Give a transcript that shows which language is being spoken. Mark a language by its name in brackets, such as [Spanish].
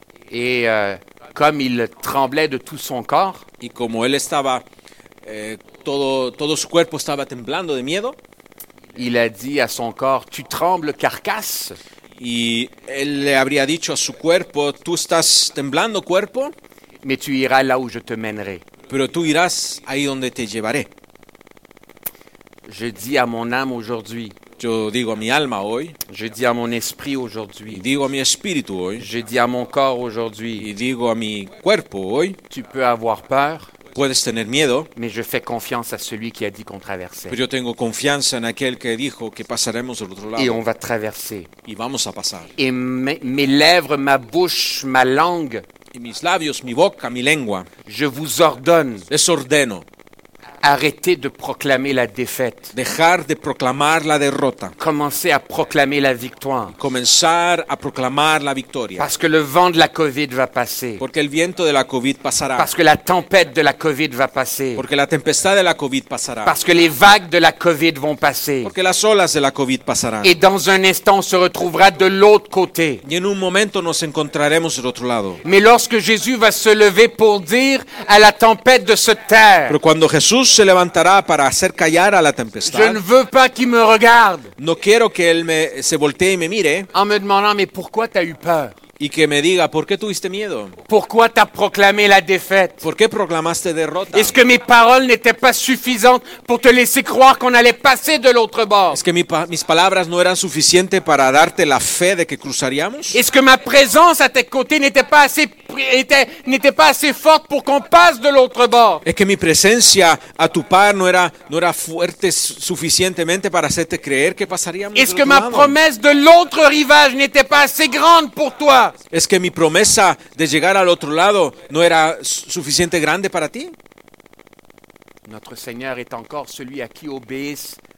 [French] Et comme il tremblait de tout son corps. [Spanish] Y como él estaba todo su cuerpo estaba temblando de miedo. [French] Il a dit à son corps, tu trembles, carcasse. [Spanish] Y él le habría dicho a su cuerpo, tú estás temblando, cuerpo. [French] Mais tu iras là où je te mènerai. [Spanish] Pero tú irás ahí donde te llevaré. [French] Je dis à mon âme aujourd'hui. [Spanish] Yo digo a mi alma hoy. [French] Je dis à mon esprit aujourd'hui. [Spanish] Y digo a mi espíritu hoy. [French] Je dis à mon corps aujourd'hui. [Spanish] Y digo a mi cuerpo hoy. [French] Tu peux avoir peur. [Spanish] Puedes tener miedo, [French] mais je fais confiance à celui qui a dit qu'on traversait. [Spanish] Pero yo tengo confianza en aquel que dijo que pasaremos del otro lado. [French] Et on va traverser. [Spanish] Y vamos a pasar. [French] Et mes lèvres, ma bouche, ma langue. [Spanish] Y mis labios, mi boca, mi lengua. [French] Je vous ordonne. [Spanish] Les ordeno. [French] Arrêtez de proclamer la défaite. [Spanish] Dejar de proclamar la derrota. [French] Commencez à proclamer la victoire. [Spanish] Comenzar a proclamar la victoria. [French] Parce que le vent de la COVID va passer. [Spanish] Porque el viento de la COVID pasará. [French] Parce que la tempête de la COVID va passer. [Spanish] Porque la tempestad de la COVID pasará. [French] Parce que les vagues de la COVID vont passer. [Spanish] Porque las olas de la COVID pasarán. [French] Et dans un instant on se retrouvera de l'autre côté. [Spanish] Y en un momento nos encontraremos del otro lado. [French] Mais lorsque Jésus va se lever pour dire à la tempête de se taire. [Spanish] Pero cuando Jesús se levantará para hacer callar a la tempestad. [French] Je ne veux pas qu'il me regarde. [Spanish] No quiero que él se voltee y me mire. [French] En me demandant, mais pourquoi t'as eu peur? [Spanish] Y que me diga, ¿por qué tuviste miedo? [French] Pourquoi t'as proclamé la défaite? [Spanish] ¿Por qué proclamaste derrota? [French] Est-ce que mes paroles n'étaient pas suffisantes pour te laisser croire qu'on allait passer de l'autre bord? [Spanish] ¿Es que mis palabras no eran suficientes para darte la fe de que cruzaríamos? [French] Est-ce que ma présence à tes côtés n'était pas assez forte pour qu'on passe de l'autre bord? [Spanish] ¿Es que mi presencia a tu par no era fuerte suficientemente para hacerte creer que pasaríamos? [French] ¿Est-ce que ma promesse de l'autre rivage n'était pas assez grande pour toi? [Spanish] Es que mi promesa de llegar al otro lado no era suficiente grande para ti. [French] Notre Seigneur est encore celui à qui obéissent.